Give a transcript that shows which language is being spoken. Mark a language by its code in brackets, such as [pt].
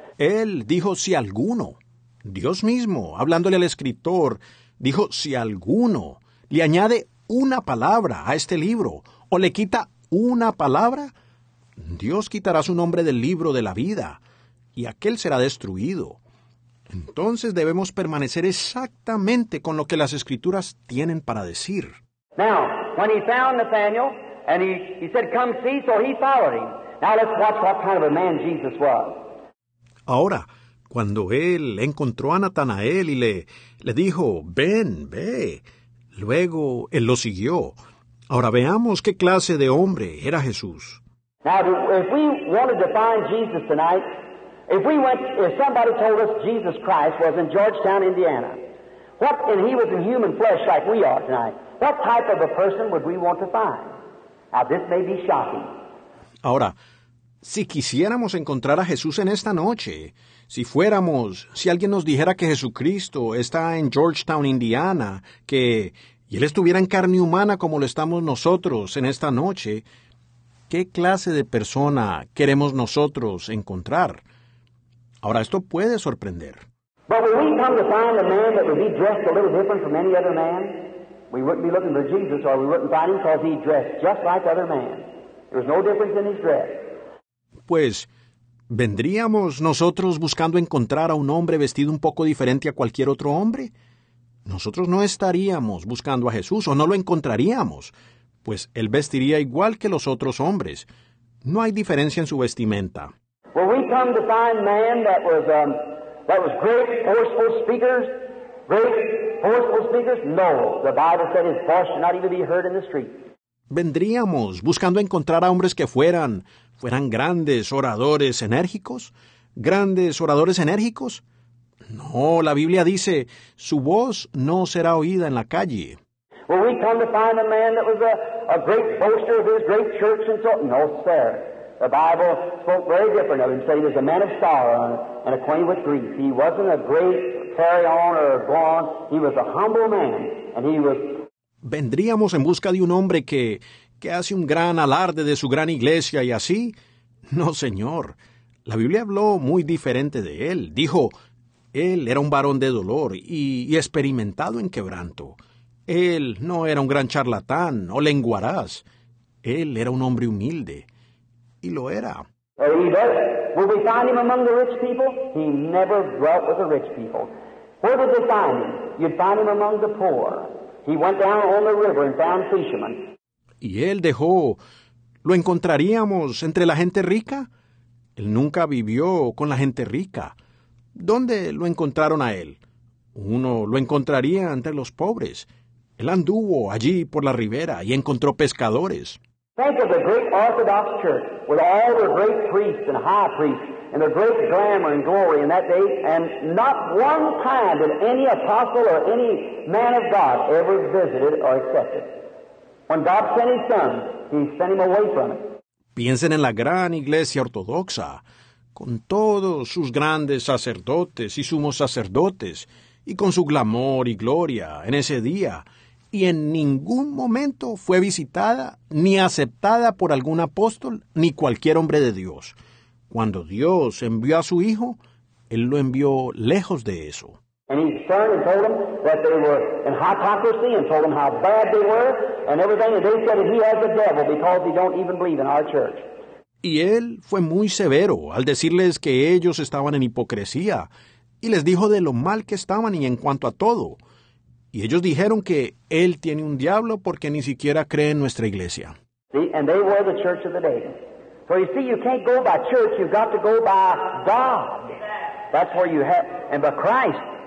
[es] Él dijo, si alguno. Dios mismo, hablándole al escritor, dijo, si alguno le añade una palabra a este libro o le quita una palabra, Dios quitará su nombre del libro de la vida y aquel será destruido. Entonces debemos permanecer exactamente con lo que las escrituras tienen para decir. [en] Now, when he found Nathanael and he said, come see, so he followed him. Now let's watch what kind of a man Jesus was. [es] Ahora, cuando él encontró a Natanael y le dijo, ven, ve. Luego, él lo siguió. Ahora veamos qué clase de hombre era Jesús. [en] Now, if we wanted to find Jesus tonight, if somebody told us Jesus Christ was in Georgetown, Indiana, and he was in human flesh like we are tonight, what type of a person would we want to find? Now, this may be shocking. [es] Ahora, si quisiéramos encontrar a Jesús en esta noche, si alguien nos dijera que Jesucristo está en Georgetown, Indiana, y Él estuviera en carne humana como lo estamos nosotros en esta noche, ¿qué clase de persona queremos nosotros encontrar? Ahora, esto puede sorprender. [en] But when we come to find a man that would be dressed a little different from any other man, we wouldn't be looking for Jesus, or we wouldn't find him because he dressed just like other men. There was no difference in his dress. [es] Pues, ¿vendríamos nosotros buscando encontrar a un hombre vestido un poco diferente a cualquier otro hombre? Nosotros no estaríamos buscando a Jesús, o no lo encontraríamos, pues Él vestiría igual que los otros hombres. No hay diferencia en su vestimenta. [en] Well, we come to find man that was great, forceful speakers. Great, forceful speakers? No. The Bible said his voice should not even be heard in the street. [es] ¿Vendríamos buscando encontrar a hombres que fueran grandes oradores enérgicos? ¿Grandes oradores enérgicos? No, la Biblia dice, su voz no será oída en la calle. [en] Well, we come to find a man that was a great boaster of his great church and so on. No, sir. The Bible spoke very different of him, saying he was a man of sorrow and acquainted with grief. He wasn't a great carry-on or go-on. He was a humble man, and he was... [es] ¿Vendríamos en busca de un hombre que hace un gran alarde de su gran iglesia y así? No, señor. La Biblia habló muy diferente de él. Dijo, él era un varón de dolor y experimentado en quebranto. Él no era un gran charlatán o lenguaraz. Él era un hombre humilde. Y lo era. [en] Will we find him among the rich people? He never dwelt with the rich people. Where did they find him? You'd find him among the poor. He went down on the river and found fishermen. [es] Y él dejó, ¿lo encontraríamos entre la gente rica? Él nunca vivió con la gente rica. ¿Dónde lo encontraron a él? Uno lo encontraría entre los pobres. Él anduvo allí por la ribera y encontró pescadores. [en] Think of the great Orthodox Church with all the great priests and high priests and the great glamour and glory in that day, and not one time did any apostle or any man of God ever visited or accepted. When God sent his son, he sent him away from it. [es] Piensen en la gran iglesia ortodoxa, con todos sus grandes sacerdotes y sumos sacerdotes, y con su glamour y gloria en ese día, y en ningún momento fue visitada ni aceptada por algún apóstol ni cualquier hombre de Dios. Cuando Dios envió a su hijo, él lo envió lejos de eso. [en] And he turned and told them that they were in hypocrisy and told them how bad they were and everything. And they said that he has the devil because he don't even believe in our church. [es] Y él fue muy severo al decirles que ellos estaban en hipocresía y les dijo de lo mal que estaban y en cuanto a todo. Y ellos dijeron que él tiene un diablo porque ni siquiera cree en nuestra iglesia. [en] See, and they were the church of the day. So you see, you can't go by church, you've got to go by God. That's where you have, and by Christ.